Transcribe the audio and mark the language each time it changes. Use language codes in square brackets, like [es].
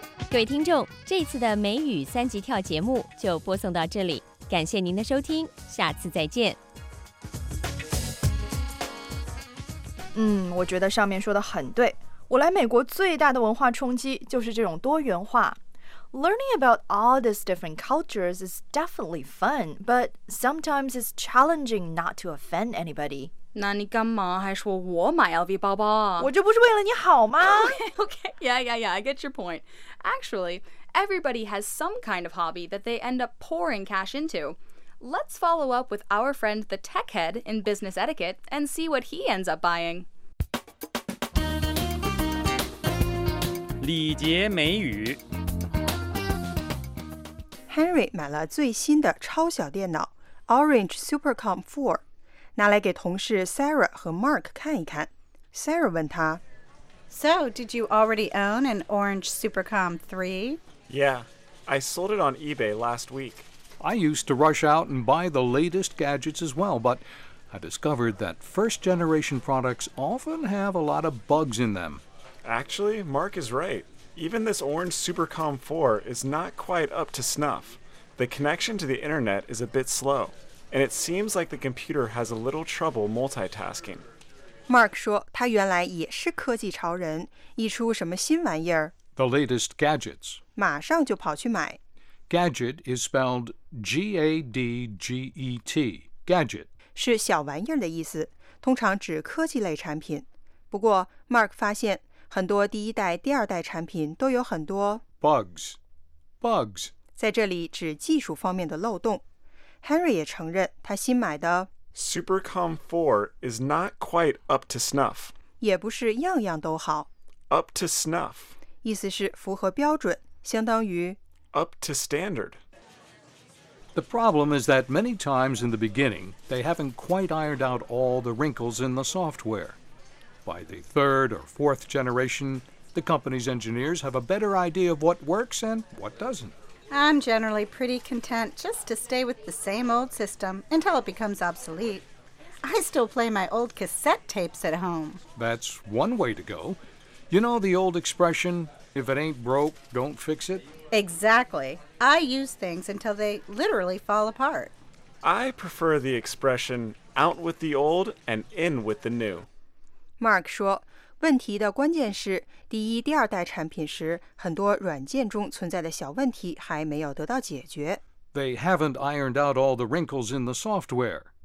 [zh] 各位听众，这次的美语三级跳节目就播送到这里，感谢您的收听，下次再见。我觉得上面说的很对。我来美国最大的文化冲击就是这种多元化。 [en] Learning about all these different cultures is definitely fun, but sometimes it's challenging not to offend anybody. [zh] 那你干嘛还说我买 LV 包包啊？我这不是为了你好吗？ [en] Okay, yeah, I get your point. Actually, everybody has some kind of hobby that they end up pouring cash into. Let's follow up with our friend, the tech head in business etiquette, and see what he ends up buying. [zh] 礼节美语 Henry 买了最新的超小电脑 Orange Supercom 4，拿来给同事 Sarah 和 Mark 看一看。Sarah 问他 [en] So, did you already own an Orange Supercom 3? Yeah, I sold it on eBay last week. I used to rush out and buy the latest gadgets as well, but I discovered that first-generation products often have a lot of bugs in them. Actually, Mark is right. Even this Orange Supercom 4 is not quite up to snuff. The connection to the internet is a bit slow, and it seems like the computer has a little trouble multitasking. [zh] Mark 说他原来也是科技潮人，一出什么新玩意儿 [en] The latest gadgets. [zh] 马上就跑去买。 [en] Gadget is spelled G-A-D-G-E-T, gadget. [zh] 是小玩意儿的意思，通常指科技类产品。不过 Mark 发现很多第一代、第二代产品都有很多 [en] Bugs. [zh] 在这里指技术方面的漏洞。 Henry 也承认他新买的 [en] Supercom 4 is not quite up to snuff. [zh] 也不是样样都好。 [en] Up to snuff. [zh] 意思是符合标准，相当于 [en] Up to standard. The problem is that many times in the beginning, they haven't quite ironed out all the wrinkles in the software. By the third or fourth generation, the company's engineers have a better idea of what works and what doesn't. I'm generally pretty content just to stay with the same old system until it becomes obsolete. I still play my old cassette tapes at home. That's one way to go. You know the old expression, if it ain't broke, don't fix it? Exactly. I use things until they literally fall apart. I prefer the expression, out with the old and in with the new. [zh] Mark 说，问题的关键是第一、第二代产品时，很多软件中存在的小问题还没有得到解决。 [en] They haven't ironed out all the wrinkles in the software.